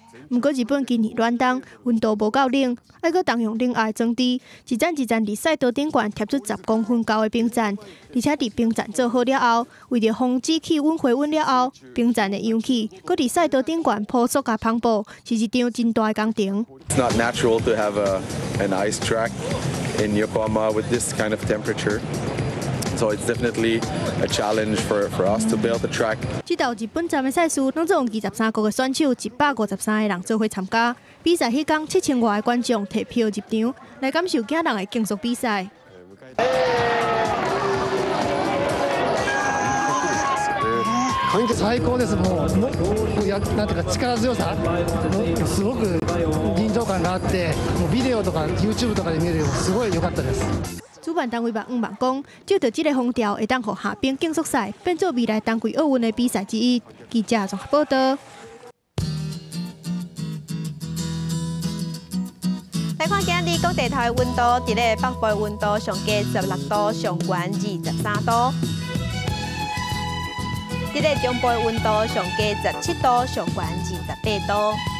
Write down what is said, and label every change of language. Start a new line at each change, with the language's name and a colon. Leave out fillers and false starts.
Min Nan Chinese: 不过日本今年暖冬，温度无够冷，还佫动用另外的装置，一站一站伫赛道顶悬贴出10公分高的冰层，而且伫冰层做好了后，为着防止气温回温了后，冰层的氧气佫伫赛道顶悬铺塑胶篷布，是一场真大的工程。
English: It's not natural to have an ice track in Yokohama with this kind of temperature. So it's definitely a challenge for us to build the track.
Min Nan Chinese: 这道日本站的赛事，拢总共23国的选手，153个人做伙参加。比赛迄天，7000外的观众提票入场，来感受惊人的竞速比赛。
Japanese: 環境最高です。もうやなんていうか力強さ、すごく臨場感があって、もうビデオとか YouTube とかで見るよ、すごい良かったです。
Min Nan Chinese: 主办单位嘛，希望讲，借着这个风调，会当让夏冰竞速赛变作未来冬季奥运的比赛之一。记者综合报道。来看今日各地头的温度，伫咧北部温度上低16度，上悬23度；伫咧中部温度上低17度，上悬28度。